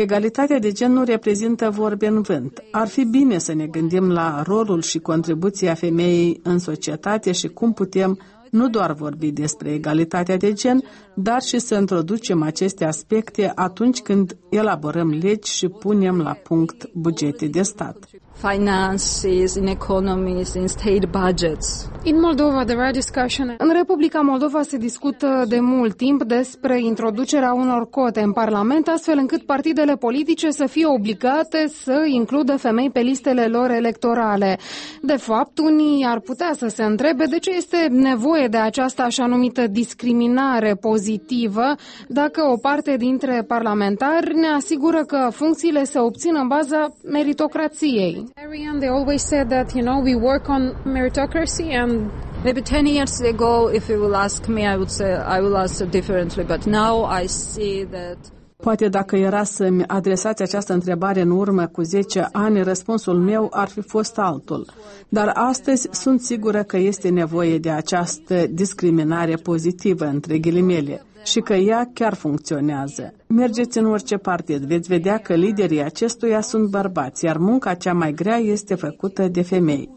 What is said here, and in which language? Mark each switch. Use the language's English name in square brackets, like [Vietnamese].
[Romanian] Egalitatea de gen nu reprezintă vorbe în vânt. Ar fi bine să ne gândim la rolul și contribuția femeii în societate și cum putem nu doar vorbi despre egalitatea de gen, dar și să introducem aceste aspecte atunci când elaborăm legi și punem la punct bugete de stat. [English] Finances, in economies, in state budgets. In Moldova, there are discussions. [Romanian] În Republica Moldova se discută de mult timp despre introducerea unor cote în Parlament, astfel încât partidele politice să fie obligate să includă femei pe listele lor electorale. De fapt, unii ar putea să se întrebe de ce este nevoie de această așa numită discriminare pozitivă, dacă o parte dintre parlamentari ne asigură că funcțiile se obțin în baza meritocrației. [English] They always said that, you know, we work on meritocracy and maybe 10 years ago, if you will ask me, I would say I will answer differently, but now I see that. [Romanian] Poate dacă era să-mi adresați această întrebare în urmă cu 10 ani, răspunsul meu ar fi fost altul. Dar astăzi sunt sigură că este nevoie de această discriminare pozitivă, între ghilimele, și că ea chiar funcționează. Mergeți în orice partid, veți vedea că liderii acestuia sunt bărbați, iar munca cea mai grea este făcută de femei.